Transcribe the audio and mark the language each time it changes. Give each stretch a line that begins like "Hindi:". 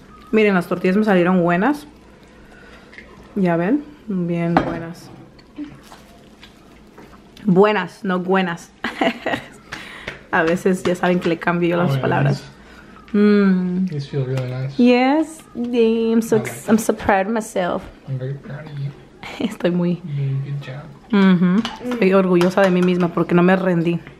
Spanish: Miren, las tortillas me salieron buenas. Ya ven, bien buenas. Buenas, no buenas. A veces ya saben que le cambio yo las palabras.
English: This feels really nice. Yes, I'm so proud of myself. I'm very proud of you.
Spanish: Estoy muy.
English: Doing a good job.
Spanish: Estoy orgullosa de mí misma porque no me rendí.